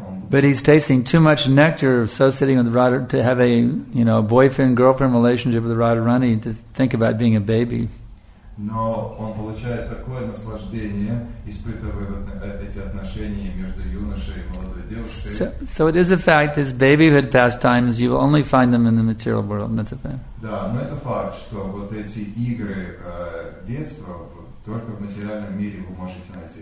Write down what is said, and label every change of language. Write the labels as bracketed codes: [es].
[en] But he's tasting too much nectar associating with Radha to have a boyfriend girlfriend relationship with Radharani to think about being a baby. [ru] Но он получает такое наслаждение, испытывая эти отношения между юношей и молодой девушкой. [en] So it is a fact, his babyhood pastimes, you will only find them in the material world. That's a fact. [ru] Да, но это факт, что вот эти игры детства только в материальном мире вы можете найти.